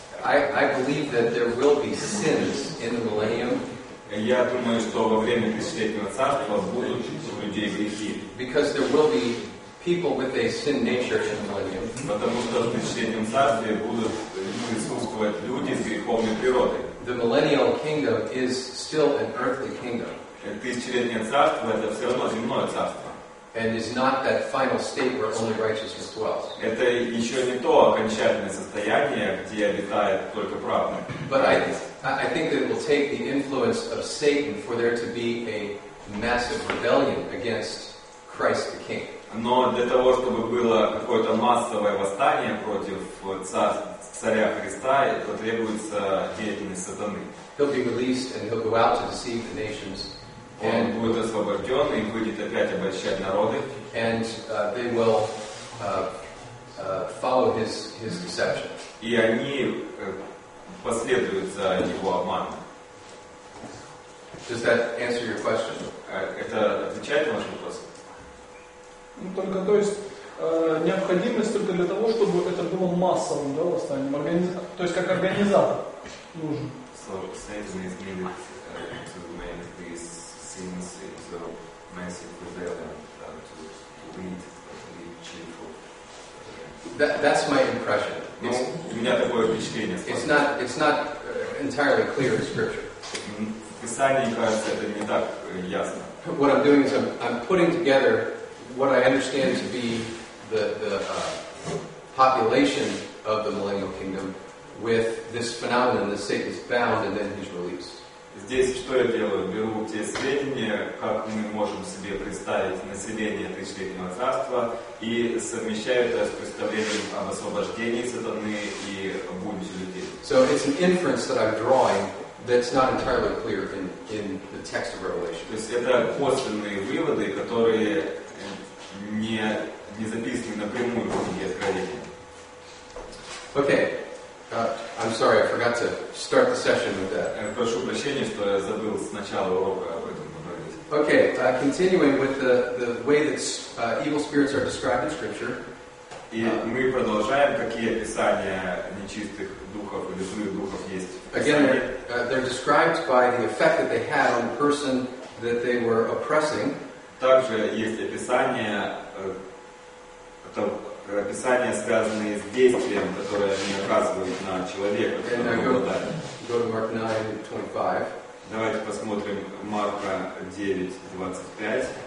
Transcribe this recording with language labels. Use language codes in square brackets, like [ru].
[en] I believe that there will be sins in the millennium. [ru] Я думаю, что во время тысячелетнего царства будут у людей грехи. [en] Because there will be people with a sin nature in the millennium. [ru] Потому что в тысячелетнем царстве будут присутствовать люди с греховной природой. [en] The millennial kingdom is still an earthly kingdom. [ru] Тысячелетнее царство — это все равно земное царство. [en] And is not that final state where only righteousness dwells. [ru] Это еще не то окончательное состояние, где обитает только праведный. [en] But I think that it will take the influence of Satan for there to be a massive rebellion against Christ the King. [ru] Но для того, чтобы было какое-то массовое восстание против царя Христа, потребуется деятельность сатаны. [en] He'll be released and he'll go out to deceive the nations. [ru] Он будет освобожден и будет опять обольщать народы. [en] And they will follow his deception. [ru] И они последуют за его обманом. [en] Does that answer your question? [ru] Это отвечает на ваш вопрос? Только, то есть, необходимость только для того, чтобы это было массовым, да, восстанием, то есть, как организатор нужен. [en] So, Satan is needed to make these sins into massive rebellion, to lead the cheerful. That's my impression. It's not entirely clear in scripture. [ru] В Писании, кажется, это не так ясно. [en] What I'm doing is I'm putting together what I understand to be the population of the millennial kingdom with this phenomenon that Satan is bound and then he's released. [ru] Здесь что я делаю? Беру те сведения, как мы можем себе представить население тысячелетнего царства, и совмещаю это с представлением об освобождении сатаны и будущем людей. [en] So it's an inference that I'm drawing that's not entirely clear in the text of Revelation. [ru] То есть это косвенные выводы, которые не записаны напрямую в книге Откровения. [en] Okay. I'm sorry, I forgot to start the session with that. [ru] Прошу прощения, что я забыл с начала урока об этом поговорить. [en] Okay, continuing with the way that evil spirits are described in Scripture. [ru] И мы продолжаем, какие описания нечистых духов или злых духов есть. [en] Again, they're described by the effect that they had on the person that they were oppressing. [ru] Также есть описание, описания, связанные с действием, которое они оказывают на человека, который обладает. Давайте посмотрим Марка 9:25.